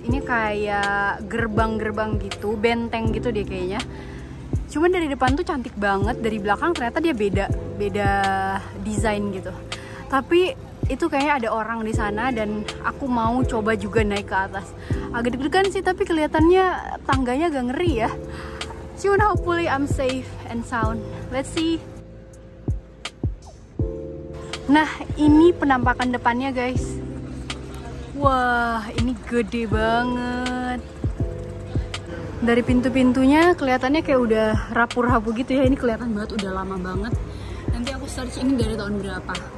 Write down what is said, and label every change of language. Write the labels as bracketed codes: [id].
[id] Ini kayak gerbang-gerbang gitu, benteng gitu dia kayaknya. Cuman dari depan tuh cantik banget, dari belakang ternyata dia beda desain gitu. Tapi itu kayaknya ada orang di sana dan aku mau coba juga naik ke atas. Agak deg-degan sih, tapi kelihatannya tangganya agak ngeri ya. [en] Soon hopefully I'm safe and sound. Let's see. [id] Nah, ini penampakan depannya, guys. Wah, ini gede banget. Dari pintu-pintunya kelihatannya kayak udah rapuh-rapuh gitu ya. Ini kelihatan banget udah lama banget. Nanti aku search ini dari tahun berapa.